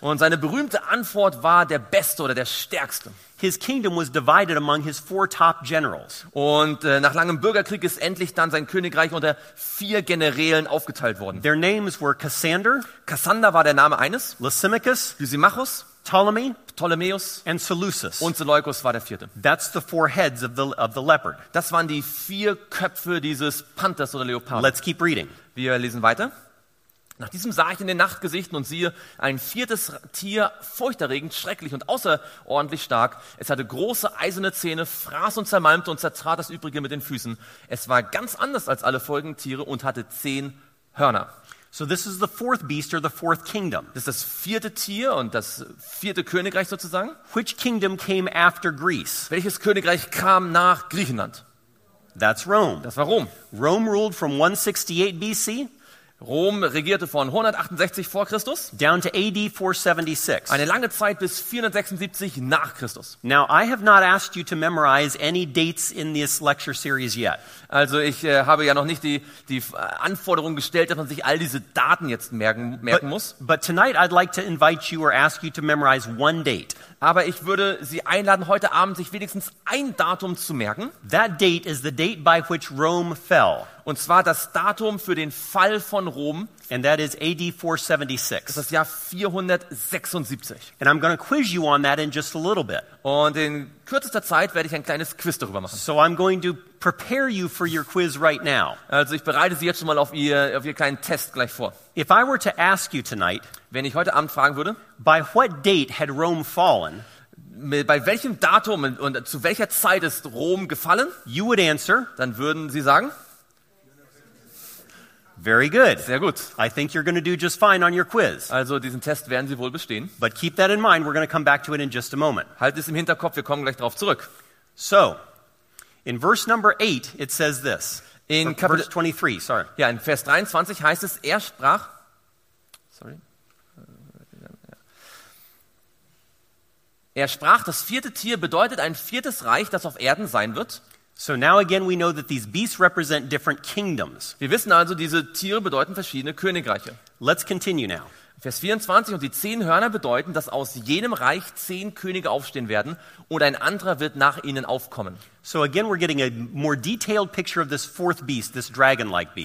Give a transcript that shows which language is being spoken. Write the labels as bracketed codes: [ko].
[de] Und seine berühmte Antwort war der Beste oder der Stärkste. [en] His kingdom was divided among his four top generals. [de] Und nach langem Bürgerkrieg ist endlich dann sein Königreich unter vier Generälen aufgeteilt worden. [en] Their names were Cassander. [de] Cassander war der Name eines. [en] Lysimachus. [de] Lysimachus. [en] Ptolemy. [de] Ptolemäus. [en] And Seleucus. [de] Und Seleucus war der vierte. [en] That's the four heads of the leopard. [de] Das waren die vier Köpfe dieses Panthers oder Leopards. [en] Let's keep reading. [de] Wir lesen weiter. Nach diesem sah ich in den Nachtgesichten und siehe, ein viertes Tier, furchterregend, schrecklich und außerordentlich stark. Es hatte große eiserne Zähne, fraß und zermalmte und zertrat das Übrige mit den Füßen. Es war ganz anders als alle folgenden Tiere und hatte 10 Hörner. [en] So this is the fourth beast or the fourth kingdom. [de] Das ist das vierte Tier und das vierte Königreich sozusagen. [en] Which kingdom came after Greece? [de] Welches Königreich kam nach Griechenland? [en] That's Rome. [de] Das war Rom. [en] Rome ruled from 168 BC. [de] Rom regierte von 168 vor Christus [en] down to AD 476. [de] Eine lange Zeit bis 476 nach Christus. [en] Now I have not asked you to memorize any dates in this lecture series yet. [de] Also ich habe ja noch nicht die Anforderung gestellt, dass man sich all diese Daten jetzt merken muss. [en] But tonight I'd like to invite you or ask you to memorize one date. [de] Aber ich würde Sie einladen, heute Abend sich wenigstens ein Datum zu merken. [en] That date is the date by which Rome fell. [de] Und zwar das Datum für den Fall von Rom. [en] And that is AD 476. [de] Das ist das Jahr 476. [en] And I'm going to quiz you on that in just a little bit. [de] Und in kürzester Zeit werde ich ein kleines Quiz darüber machen. [en] So I'm going to prepare you for your quiz right now. [de] Also ich bereite Sie jetzt schon mal auf Ihr kleinen Test gleich vor. [en] If I were to ask you tonight, [de] wenn ich heute Abend fragen würde, [en] by what date had Rome fallen? [de] Bei welchem Datum und zu welcher Zeit ist Rom gefallen? [en] You would answer. [de] Dann würden Sie sagen. [en] Very good. [de] Sehr gut. [en] I think you're going to do just fine on your quiz. [de] Also diesen Test werden Sie wohl bestehen. [en] But keep that in mind. We're going to come back to it in just a moment. [de] Halt es im Hinterkopf. Wir kommen gleich drauf zurück. [en] So, in verse number 8, it says this. [de] In [en] verse 23, sorry. [de] Ja, in Vers 23 heißt es, er sprach. Sorry. Er sprach, das vierte Tier bedeutet ein viertes Reich, das auf Erden sein wird. [en] So now again we know that these beasts represent different kingdoms. [de] Wir wissen also, diese Tiere bedeuten verschiedene Königreiche. [en] Let's continue now. [de] Vers 24, und die 10 Hörner bedeuten, dass aus jenem Reich 10 Könige aufstehen werden und ein anderer wird nach ihnen aufkommen. [en] So again we're getting a more detailed picture of this fourth beast, this dragon-like beast.